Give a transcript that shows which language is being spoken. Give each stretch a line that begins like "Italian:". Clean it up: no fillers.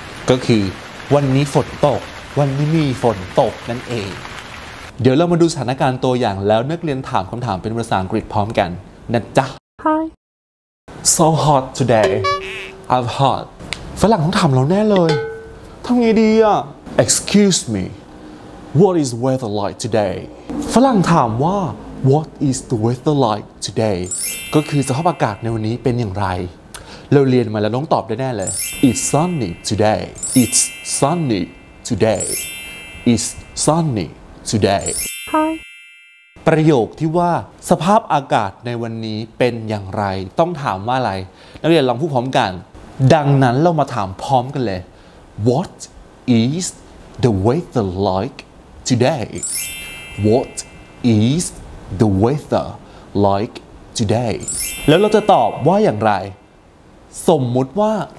Thai: ก็คือวันนี้ฝนตกวันนี้มีฝนตกนั่นเองเดี๋ยวเรามาดูสถานการณ์ตัวอย่างแล้วนักเรียนถามคำถามเป็นภาษาอังกฤษพร้อมกันนะจ๊ะ
English: Hi So hot today I'm hot
Thai: ฝรั่งต้องถามเราแน่เลยทำไงดีอ่ะ
English: Excuse me What is weather like today
Thai: ฝรั่งถามว่า
English: What is the weather like today
Thai: ก็คือสภาพอากาศในวันนี้เป็นอย่างไรเราเรียนมาแล้วต้องตอบได้แน่เลย
English: It's sunny today It's sunny today It's sunnytoday hi
Thai: ประโยคที่ว่าสภาพอากาศในวันนี้เป็นอย่างไรต้องถามว่าอะไรนักเรียนลองพูดพร้อมกันดังนั้นเรามาถามพร้อมกันเลย
English: what is the weather like today what is the weather like today แล้วเราจะตอบว่าอย่างไรสมมุติว่า